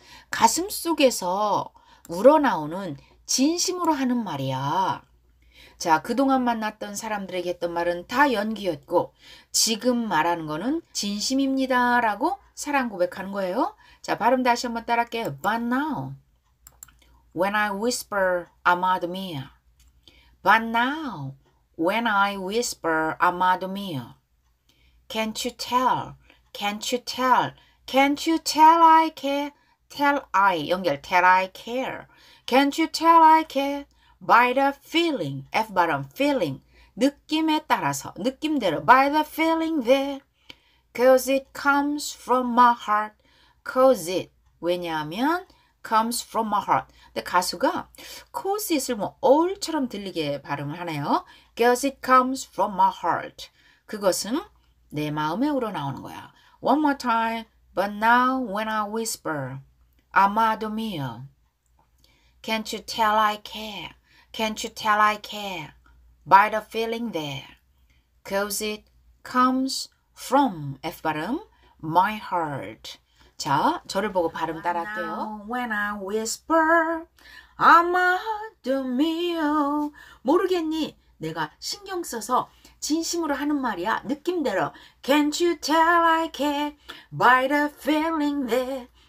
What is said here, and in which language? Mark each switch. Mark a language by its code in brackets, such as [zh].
[ko] 가슴 속에서 우러나오는 진심으로 하는 말이야. 자, 그동안 만났던 사람들에게 했던 말은 다 연기였고 지금 말하는 거는 진심입니다. 라고 사랑 고백하는 거예요. 자, 발음 다시 한번 따라할게요. [en] But now, when I whisper, Amado mio. But now, When I whisper, Amado mio, can't you tell? Can't you tell? Can't you tell I care? Tell I 연결 tell I care. Can't you tell I care? By the feeling, F 발음 feeling [ko] 느낌에 따라서 느낌대로 [en] by the feeling there, cause it comes from my heart. Cause it 왜냐하면 comes from my heart. [ko] 근데 가수가 [en] cause it [ko] 을 뭐 all처럼 들리게 발음을 하네요. [en] Cause it comes from my heart. [ko] 그것은 내 마음에 우러나오는 거야. [en] One more time. But now when I whisper, Amado mio, can't you tell I care? Can't you tell I care? By the feeling there. Cause it comes from, F 발음, my heart. [ko] 자, 저를 보고 발음 따라할게요. [en] When I whisper, Amado mio, [ko] 모르겠니? 내가 신경 써서 진심으로 하는 말이야. 느낌대로. [en] Can't you tell I care by the feeling there?